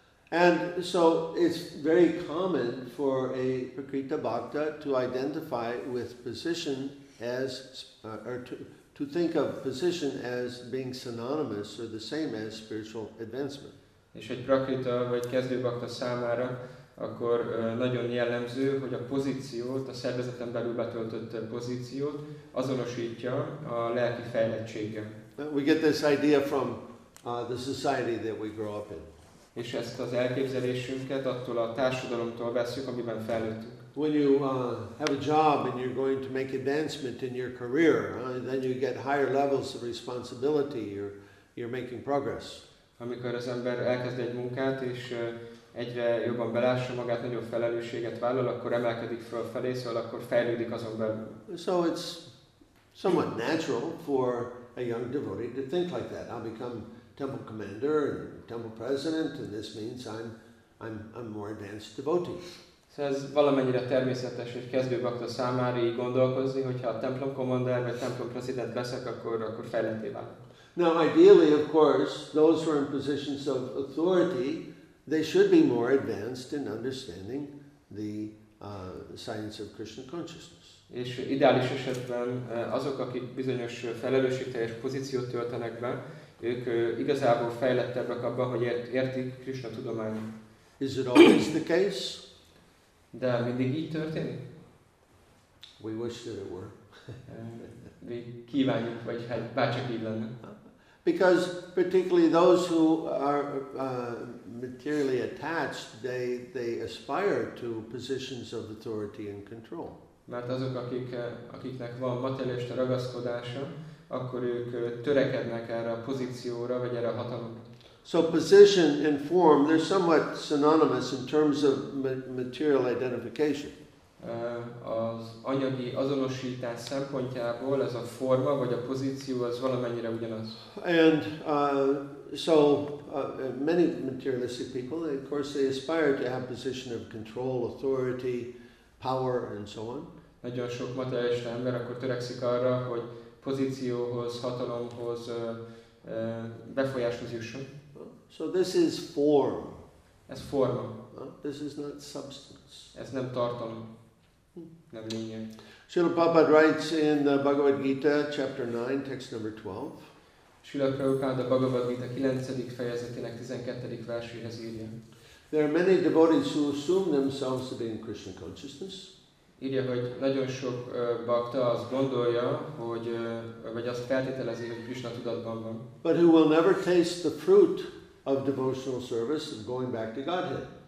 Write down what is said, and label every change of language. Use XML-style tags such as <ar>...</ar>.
<en>And so it's very common for a Prakrita Bhakta to identify with position as, or to think of position as being synonymous or the same as spiritual advancement.</en> <hu>És egy Prakrita vagy kezdő bhakta számára, akkor nagyon jellemző, hogy a pozíciót, a szervezeten belül betöltött pozíciót azonosítja a lelki fejlettséggel.</hu> <en>We get this idea from the society that we grow up in.</en> <hu>És ezt az elképzelésünket attól a társadalomtól veszük, amiben felnőttünk.</hu> <en>When you have a job and you're going to make advancement in your career, then you get higher levels of responsibility, you're making progress.</en> <hu>Amikor az ember elkezd egy munkát, és egyre jobban belássa magát, nagyobb felelősséget vállal, akkor emelkedik fölfelé, szóval akkor fejlődik azon belül.</hu> <en>So it's somewhat natural for a young devotee to think like that. I'll become temple commander and temple president, and this means I'm more advanced devotee.</en> <hu>So ez valamennyire természetes, hogy kezdő bhakta számára így gondolkozni, hogy ha templom commander vagy templom president leszek, akkor fejletté válok.</hu> <en>Now, ideally, of course, those who are in positions of authority, they should be more advanced in understanding the science of Krishna consciousness.</en> <hu>És ideális esetben azok, akik bizonyos felelősségteljes pozíciót töltenek be, ők igazából fejlettebbek abban, hogy értik Krishna tudományát.</hu> <en>Is it always the case?</en> <hu>De mindig így történik?</hu> <en>We wish that it were.</en> <hu>Mi kívánjuk, vagy hát bárcsak így lenne.</hu> <en>Because particularly those who are materially attached, they aspire to positions of authority and control.</en> <hu>Mert azok, akiknek van materialista ragaszkodása, akkor ők törekednek erre a pozícióra, vagy erre a hatalomra.</hu> <en>So position and form, they're somewhat synonymous in terms of material identification.</en> <hu>Az anyagi azonosítás szempontjából ez a forma vagy a pozíció az valamennyire ugyanaz.</hu> <en>And many materialistic people, of course, they aspire to have position of control, authority, power, and so on.</en> <hu>Nagyon sok materialista ember akkor törekszik arra, hogy pozícióhoz, hatalomhoz, befolyáshoz jusson.</hu> <en>So this is form.</en> <hu>Ez forma.</hu> <en>This is not substance.</en> <hu>Ez nem tartalom.</hu> <en>Srila Prabhupada writes in the Bhagavad Gita, chapter 9, text number 12.</en> <hu>Srila Prabhupada a Bhagavad Gita 9. fejezetének 12. verséhez írja.</hu> <en>There are many devotees who assume themselves to be in Krishna consciousness.</en> <hu>Írja, hogy nagyon sok bhakta azt gondolja, hogy vagy azt feltételezi, hogy Krishna tudatban van.</hu> <en>But who will never taste the fruit of devotional service of going back to Godhead.</en>